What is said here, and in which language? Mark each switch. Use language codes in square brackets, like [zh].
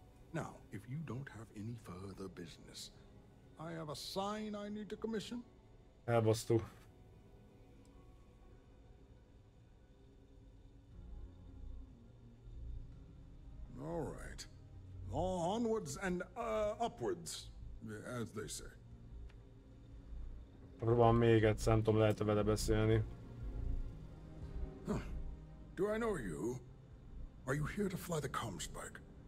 [en] Now, if you don't have any further business, I have a sign I need to commission. [hu] Elbasztuk. [en] All right. Onwards and upwards, as they say. [hu] Próbálom még egyszer, nem tudom, lehet-e vele beszélni. [en] Do I know you? Are you here to fly the comm spike?